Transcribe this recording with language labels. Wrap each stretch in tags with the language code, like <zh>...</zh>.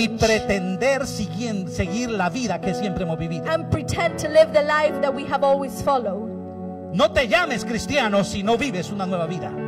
<es>Y pretender seguir la vida que siempre hemos vivido.</es> <en>And pretend to live the life that we have always followed.</en> <es>No te llames cristiano si no vives una nueva vida.</es>